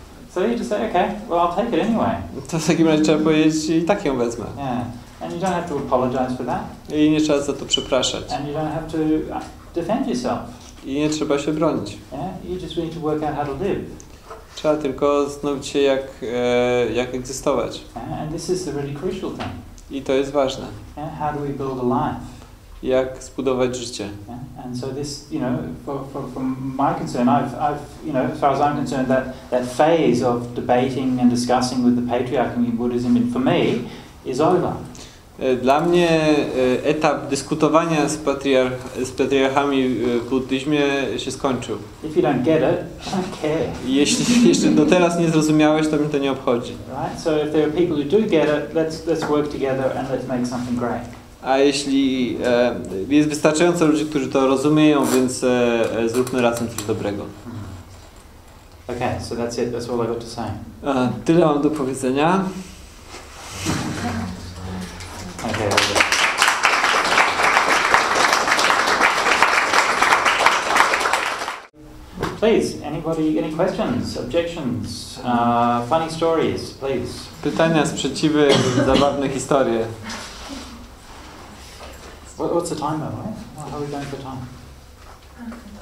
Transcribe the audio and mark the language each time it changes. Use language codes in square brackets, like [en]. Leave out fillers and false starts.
[en] So you just say, okay, well, I'll take it anyway. [pl] To w takim razie trzeba powiedzieć, i tak ją wezmę. [en] Yeah. And you don't have to apologize for that. [pl] I nie trzeba za to przepraszać. [en] And you don't have to defend yourself. [pl] I nie trzeba się bronić. [en] Yeah? You just need to work out how to live. [pl] Trzeba tylko zastanowić się, jak egzystować. [en] And this is the really crucial thing. [pl] I to jest ważne. [en] Yeah? How do we build a life? [pl] Jak zbudować życie? [en] Yeah? And so this, you know, from my concern, as far as I'm concerned, that phase of debating and discussing with the patriarchy in Buddhism, for me, is over. [pl] Dla mnie etap dyskutowania z patriarchami w buddyzmie się skończył. [en] If you don't get it, I don't care. [pl] Jeśli jeszcze do teraz nie zrozumiałeś, to mnie to nie obchodzi. [en] Right? So if there are people who do get it, let's work together and let's make something great. [pl] A jeśli jest wystarczająco ludzi, którzy to rozumieją, więc zróbmy razem coś dobrego. [en] Okay, so that's it. That's all I got to say. [pl] Tyle mam do powiedzenia. [en] Okay. Please, anybody, any questions, objections, funny stories, please. [pl] Pytania, sprzeciwy, zabawne historie. [en] What's the time, by the way? How are we going for time?